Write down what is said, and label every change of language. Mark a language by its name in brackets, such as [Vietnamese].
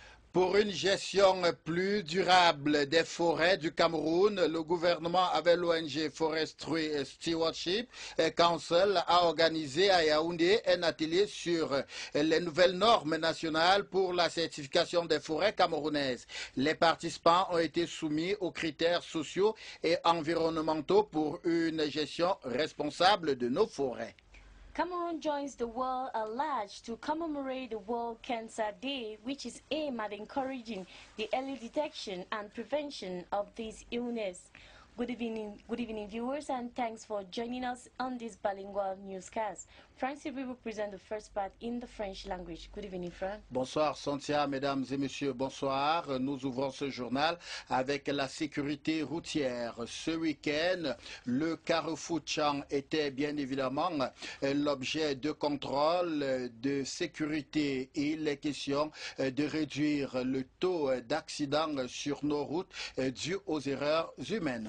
[French] Pour une gestion plus durable des forêts du Cameroun, le gouvernement avec l'ONG Forestry Stewardship Council a organisé à Yaoundé un atelier sur les nouvelles normes nationales pour la certification des forêts camerounaises. Les participants ont été soumis aux critères sociaux et environnementaux pour une gestion responsable de nos forêts. [English] Cameroon joins the world at large to commemorate the World Cancer Day, which is aimed at encouraging the early detection and prevention of this illness. Good evening, viewers, and thanks for joining us on this bilingual newscast. Francis, we will present the first part in the French language. Good evening, Fran. [French] Bonsoir, Santia, mesdames et messieurs, bonsoir. Nous ouvrons ce journal avec la sécurité routière. Ce week-end, le carrefour Tchan était bien évidemment l'objet de contrôles de sécurité. Il est question de réduire le taux d'accidents sur nos routes dus aux erreurs humaines.